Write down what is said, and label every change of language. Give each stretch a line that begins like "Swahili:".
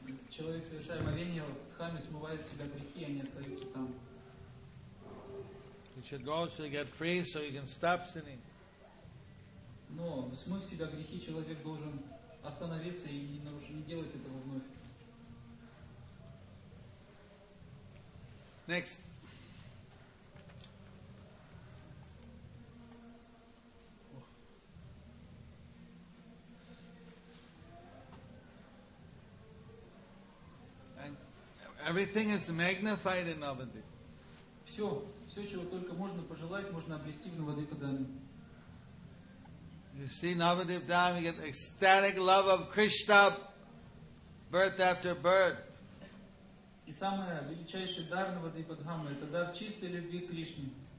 Russian: Человек, совершая омовение в Дхаме, смывает с себя грехи, а не остаются там.
English: You should go so you get free, so you can stop sinning.
Russian: Но смыв себя грехи, человек должен остановиться и не делать этого вновь.
English: Next. And everything is magnified in Navadvip.
Russian: Все, чего только можно пожелать, можно обрести в Навадвипадхаме.
English: You see Navadvipadhami, you get ecstatic love of Krishna, birth after birth.
Russian: И самое величайшее дар Навадвипадхамы — это дар чистой любви к Кришне.